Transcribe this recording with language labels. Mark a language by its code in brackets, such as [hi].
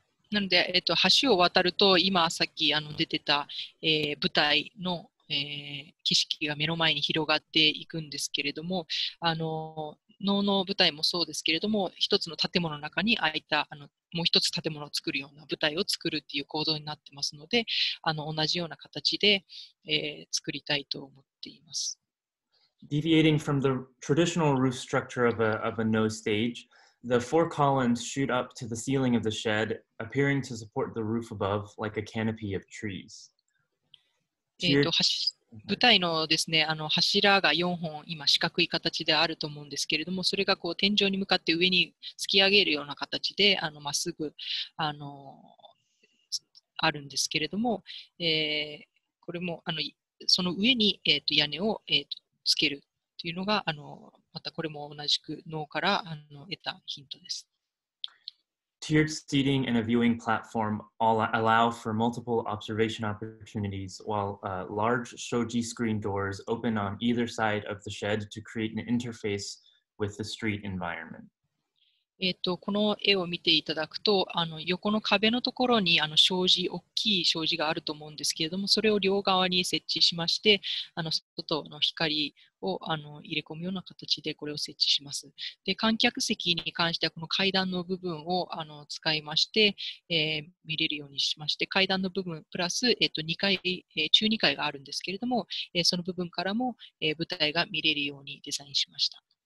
[ja] なので、橋を渡ると、今さっき出てた、舞台の、景色が目の前に広がっていくんですけれども、能の舞台もそうですけれども、一つの建物の中に空いたもう一つ建物を作るような舞台を作るっていう構造になってますので、同じような形で、作りたいと思っています。 [en] Deviating from the traditional roof structure of a nose stage, the four columns shoot up to the ceiling of the shed, appearing to support the roof above like a canopy of trees. [ja] 舞台のですね、柱が4本今四角い形であると思うんですけれども、それがこう天井に向かって上に突き上げるような形でまっすぐあるんですけれども、これもその上に、屋根を、つけるというのがまたこれも同じく能から得たヒントです。 [en] Tiered seating and a viewing platform all allow for multiple observation opportunities, while large shoji screen doors open on either side of the shed to create an interface with the street environment. [ja] この絵を見ていただくと、横の壁のところに障子、大きい障子があると思うんですけれども、それを両側に設置しまして、外の光を入れ込むような形でこれを設置します。で、観客席に関してはこの階段の部分を使いまして、見れるようにしまして、階段の部分プラス、2階、中2階があるんですけれども、その部分からも、舞台が見れるようにデザインしました。